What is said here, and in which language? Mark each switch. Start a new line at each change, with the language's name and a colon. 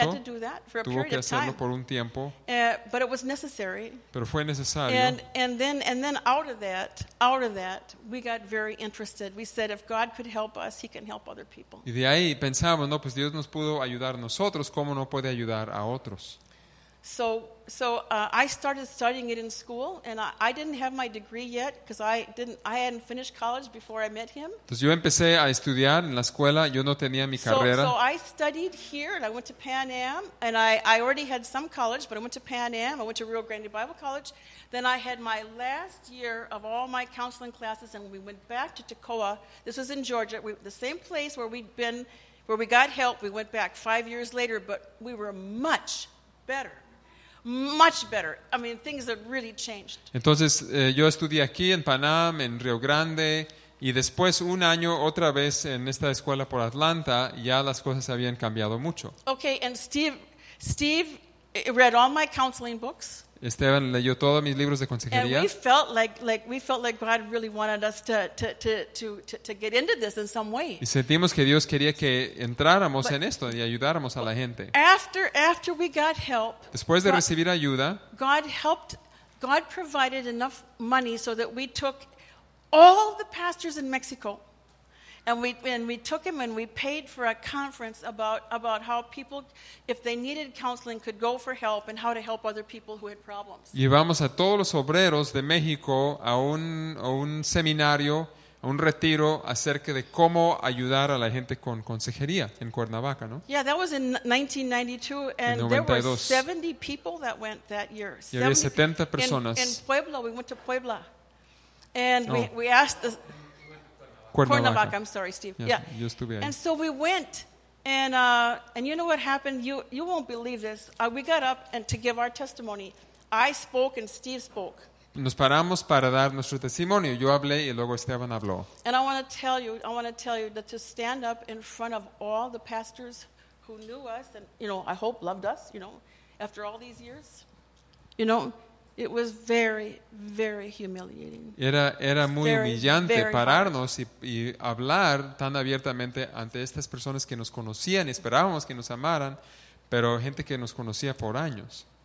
English: He had to do that for a period of time.
Spanish: Tuvo que hacerlo por un tiempo.
English: But it was necessary.
Spanish: Pero fue necesario.
English: And then out of that, we got very interested. We said, if God could help us, He can help other people.
Spanish: Y de ahí pensamos, no, pues Dios nos pudo ayudar a nosotros, ¿cómo no puede ayudar a otros?
English: So I started studying it in school, and I didn't have my degree yet because I hadn't finished college before I met him.
Spanish: Entonces yo empecé a estudiar en la escuela, yo no tenía mi carrera.
English: So I studied here, and I went to Pan Am, and I already had some college, but I went to Pan Am, I went to Rio Grande Bible College. Then I had my last year of all my counseling classes, and we went back to Toccoa. This was in Georgia, the same place where we'd been, where we got help. We went back 5 years later, but we were much better. much better. I mean, things have really changed.
Spanish: Entonces, yo estudié aquí en Panam, en Río Grande, y después un año otra vez en esta escuela por Atlanta, ya las cosas habían cambiado mucho.
English: Okay, and Steve read all my counseling books.
Spanish: Esteban leyó todos mis libros de consejería.
English: And we felt like God really wanted us to get into this in some way.
Spanish: Y sentimos que Dios quería que entráramos en esto y ayudáramos a la gente.
English: After we got help.
Spanish: Después de recibir ayuda.
English: God provided enough money so that we took all the pastors in Mexico. And we took him and we paid for a conference about how people, if they needed counseling, could go for help and how to help other people who had problems.
Spanish: Llevamos a todos los obreros de México a un seminario, a un retiro acerca de cómo ayudar a la gente con consejería en Cuernavaca, ¿no?
English: Yeah, that was in 1992, and there were 70 people that went that year.
Spanish: Y había 70 personas.
English: In Puebla, we went to Puebla, and we asked the
Spanish: Cuernavaca,
English: I'm sorry, Steve. Yes, yeah.
Spanish: Yo estuve ahí.
English: And so we went, and you know what happened? You won't believe this. We got up and to give our testimony. I spoke and Steve spoke.
Spanish: Nos paramos para dar nuestro testimonio. Yo hablé y luego Esteban habló.
English: And I want to tell you that to stand up in front of all the pastors who knew us and, you know, I hope loved us, you know, after all these years, you know, it was very, very humiliating.
Spanish: Era muy humillante pararnos y hablar tan abiertamente ante estas personas que nos conocían, esperábamos que nos amaran, pero gente que nos conocía por años.